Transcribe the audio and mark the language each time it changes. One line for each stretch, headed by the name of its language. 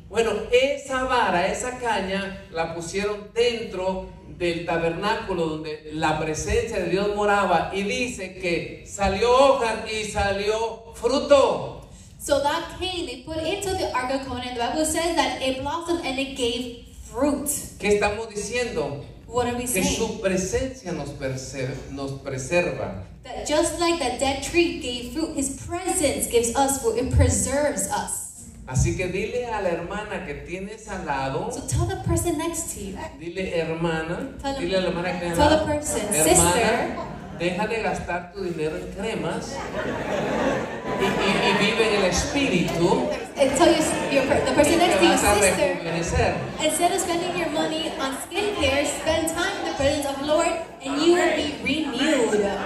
Spanish: Bueno, esa vara, esa caña, la pusieron dentro del tabernáculo donde la presencia de Dios moraba, y dice que salió hoja y salió fruto.
English: So that cane they put into the Ark of Covenant, the Bible says that it blossomed and it gave fruit.
Spanish: ¿Qué estamos diciendo?
English: What are we saying?
Spanish: Que su presencia nos preserva.
English: That just like that dead tree gave fruit, his presence gives us fruit, it preserves us.
Spanish: Así que dile a la hermana que tienes al lado.
English: So tell the person next to you.
Spanish: Dile hermana. Dile a la hermana que tienes al lado.
English: Tell the person,
Spanish: hermana,
English: sister.
Spanish: Deja de gastar tu dinero en cremas. Y vive en el espíritu.
English: And tell the person next to you, sister. Instead of spending your money on skincare, spend time in the presence of the Lord and you will be renewed.